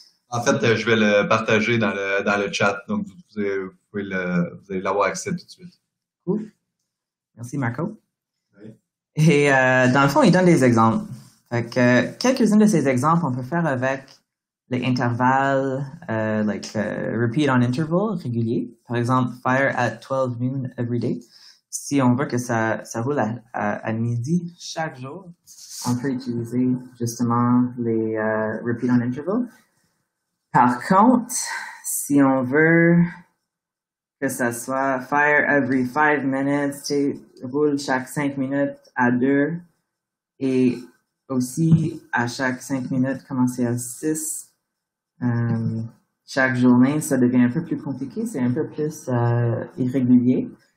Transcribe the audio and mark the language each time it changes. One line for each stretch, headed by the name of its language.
French: En fait, je vais le partager dans le chat, donc vous allez l'avoir accès tout de suite. Cool. Merci, Marco. Oui. Et dans le fond, il donne des exemples. Fait que, quelques-uns de ces exemples, on peut faire avec les intervalles, repeat on interval régulier. Par exemple,
English: fire at 12 noon every day.
French: Si on veut que ça roule à midi chaque jour, on peut utiliser justement les repeat on interval. Par contre, si on veut que ça soit
English: fire every 5 minutes,
French: tu roules chaque 5 minutes à 2, et aussi à chaque 5 minutes, commencer à 6, chaque journée, ça devient un peu plus compliqué, c'est un peu plus irrégulier.